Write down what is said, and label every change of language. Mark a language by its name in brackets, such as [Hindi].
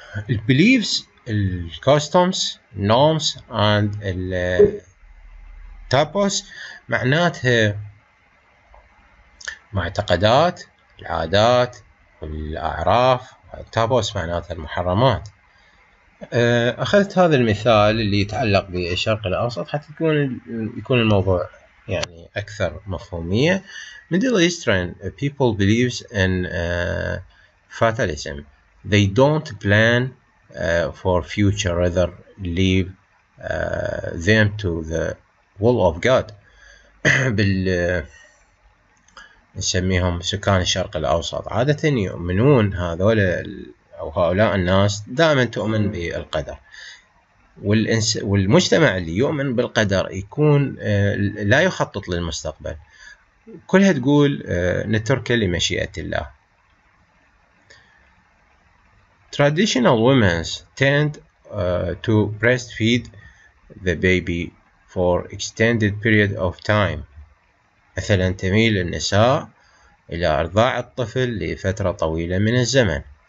[English] البيليفز، الكوستومز، النومز and التابوس، [Arabic] معناتها معتقدات، العادات، الأعراف. التابوس معناتها المحرمات. أخذت هذا المثال اللي يتعلق بالشرق الأوسط حتى يكون الموضوع يعني أكثر مفهومية. [English] Middle Eastern people believes in fatalism. They don't plan for future, rather leave them to the will of God. [Arabic] نسميهم سكان الشرق الأوسط، عادة يؤمنون هذول أو هؤلاء الناس دائما تؤمن بالقدر، والمجتمع اللي يؤمن بالقدر يكون لا يخطط للمستقبل، كلها تقول نترك لمشيئة الله. [English] Traditional women tend to breastfeed the baby for extended period of time. [Arabic] مثلا تميل النساء إلى أرضاع الطفل لفترة طويلة من الزمن.